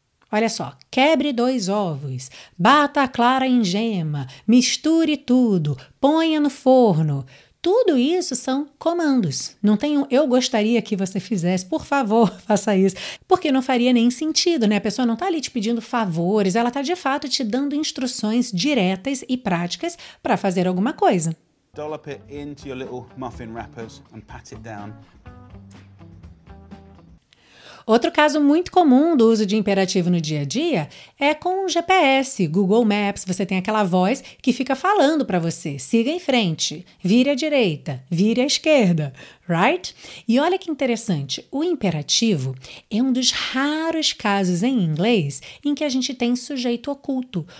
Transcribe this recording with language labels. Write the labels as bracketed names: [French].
[Portuguese] Olha só, quebre 2 ovos, bata a clara em gema, misture tudo, ponha no forno. Tudo isso são comandos. Não tem um eu gostaria que você fizesse, por favor, faça isso. Porque não faria nem sentido, né? A pessoa não está ali te pedindo favores, ela está de fato te dando instruções diretas e práticas para fazer alguma coisa. [English] Dollop it into your little muffin wrappers and pat it down. [Portuguese] Outro caso muito comum do uso de imperativo no dia a dia é com o GPS, Google Maps. Você tem aquela voz que fica falando para você: siga em frente, vire à direita, vire à esquerda, right? E olha que interessante, o imperativo é um dos raros casos em inglês em que a gente tem sujeito oculto.